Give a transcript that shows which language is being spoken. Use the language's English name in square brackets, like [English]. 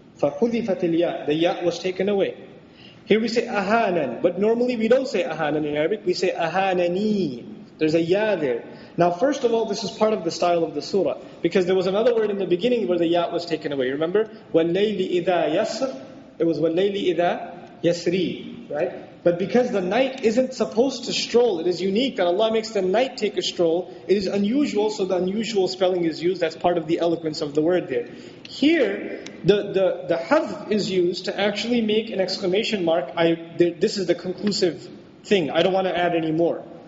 [Arabic] فَحُذِفَتِ الْيَا. [English] The ya was taken away. Here we say ahanan, but normally we don't say ahanan in Arabic, we say ahanani. There's a ya there. Now first of all, this is part of the style of the surah, because there was another word in the beginning where the ya was taken away. Remember? [Arabic] وَاللَّيْلِ إِذَا يَسْرِ. [English] It was [Arabic] وَاللَّيْلِ إِذَا يَسْرِ. [English] Right? But because the night isn't supposed to stroll, it is unique that Allah makes the night take a stroll, it is unusual, so the unusual spelling is used. That's part of the eloquence of the word there. Here, the hadh is used to actually make an exclamation mark. This is the conclusive thing. I don't want to add any more.